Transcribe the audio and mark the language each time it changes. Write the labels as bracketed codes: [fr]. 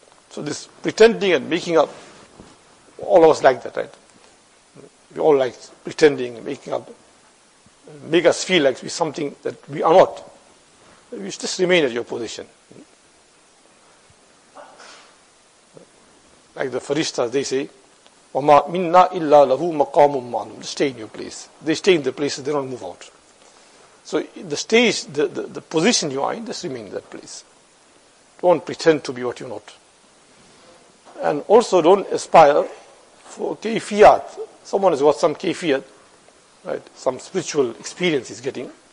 [en] So this pretending and making up, all of us like that, right? We all like pretending, making up, make us feel like we're something that we are not. We just remain at your position. Like the farishtas, they say, [ar] وَمَا مِنَّا إِلَّا لَهُ مَقَامٌ مَعْلُمٌ. [en] Just stay in your place. They stay in their places, they don't move out. So the stage, the position you are in, just remain in that place. Don't pretend to be what you're not. And also don't aspire for kayfiyat. Someone has got some kayfiyat, right? Some spiritual experience he's getting.